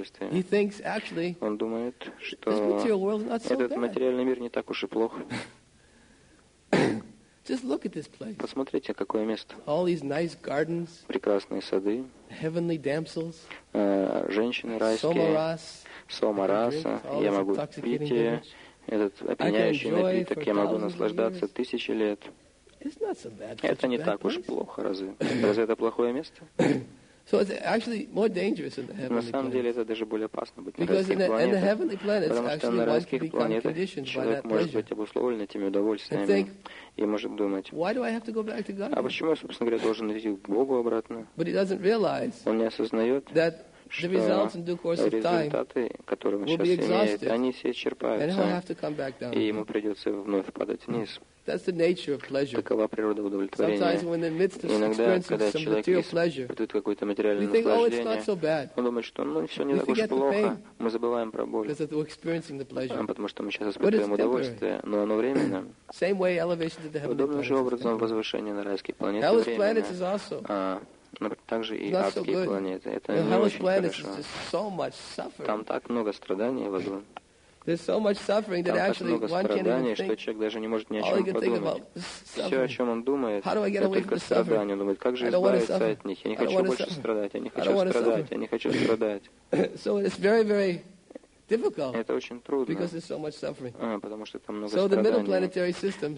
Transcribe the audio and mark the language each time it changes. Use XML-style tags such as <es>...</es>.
<en>He thinks, actually, this material world is not so bad. Just look at this place.</en> <ru>Посмотрите, какое место.</ru> <en>All these nice gardens.</en> <ru>Прекрасные сады.</ru> <en>Heavenly damsels.</en> <ru>Женщины райские. Сомараса, я могу пить ее, этот опьяняющий напиток, я могу наслаждаться тысячи лет. Это не так уж плохо, разве? Разве это плохое место?</ru> <en>So it's actually more dangerous in the heavenly planets.</en> <ru>На самом деле это даже более опасно быть</ru> <en>in the heavenly planets, actually, one can be conditioned by that pleasure.</en> <ru>Может быть обусловлен этими удовольствиями. И может думать,</ru> <en>why do I have to go back to God?</en> <ru>А почему я, собственно говоря, должен идти к Богу обратно?</ru> <en>But he doesn't realize</en> <ru>он не осознает,</ru> <en>that the results in due course of time will be exhausted,</en> <ru>они все исчерпаются,</ru> <en>and he'll have to come back down.</en> <ru>И ему придется вновь падать вниз.</ru> <en>That's the nature of pleasure.</en> <ru>Такова природа удовлетворения.</ru> <en>Sometimes when in the midst of experiencing some material pleasure, we think, oh, it's not so bad.</en> <ru>Он думает, что, ну, все не так уж плохо. Мы забываем про боль.</ru> <en>Because we're experiencing the pleasure.</en> <ru>Потому что мы сейчас испытываем удовольствие, но оно временно.</ru> <en>Same way elevation to the heavenly planets.</en> <ru>Подобным же образом возвышение на райские планеты временно. Также и адские планеты. Это не очень хорошо. Там так много страданий возможно.</ru> <en>There's so much suffering that actually one can't even think.</en> <ru>Что человек даже не может ни о чем подумать. Все, о чем он думает, это только страдания. Он думает, как же избавиться от них? Я не хочу больше страдать. Я не хочу страдать.</ru> <en>So it's very, very difficult.</en> <ru>Это очень трудно.</ru> <en>Because there's so much suffering.</en> <ru>Потому что там много страданий.</ru> <en>So the middle planetary systems.</en>